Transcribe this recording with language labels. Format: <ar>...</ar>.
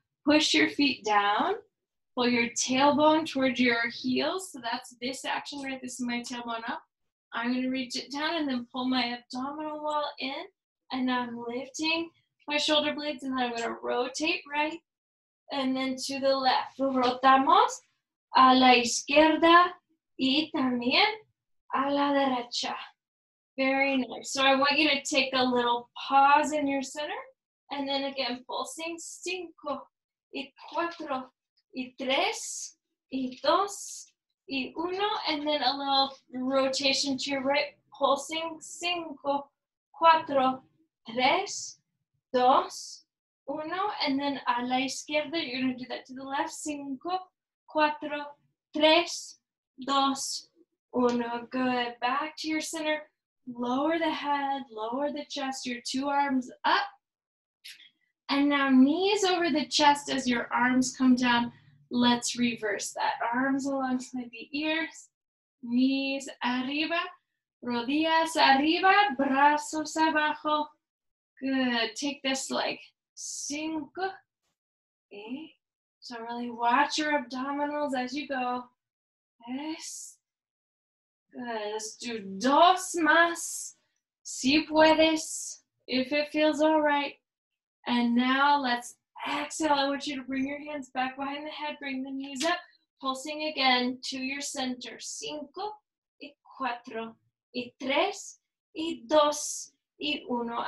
<en>Push your feet down. Pull your tailbone towards your heels. So that's this action, right? This is my tailbone up. I'm going to reach it down and then pull my abdominal wall in. And I'm lifting my shoulder blades and then I'm going to rotate right and then to the left.</en> <es>Rotamos a la izquierda y también a la derecha.</es> <en>Very nice. So I want you to take a little pause in your center. And then again, pulsing.</en> <es>Cinco, y cuatro, y tres, y dos, y uno.</es> <en>And then a little rotation to your right. Pulsing.</en> <es>Cinco, cuatro, tres, dos, uno.</es> <en>And then</en> <es>a la izquierda,</es> <en>you're going to do that to the left. Cinco, cuatro, tres, dos, uno. Good. Back to your center. Lower the head, lower the chest, your two arms up. And now knees over the chest as your arms come down. Let's reverse that. Arms alongside the ears.</en> <es>Knees arriba, rodillas arriba, brazos abajo.</es> <en>Good, take this leg. Cinco, eh? So really watch your abdominals as you go. Yes. Good. Let's do</en> <es>dos más, si puedes,</es> <en>if it feels all right. And now let's exhale. I want you to bring your hands back behind the head. Bring the knees up. Pulsing again to your center.</en> <es>Cinco y cuatro y tres y dos y uno.</es>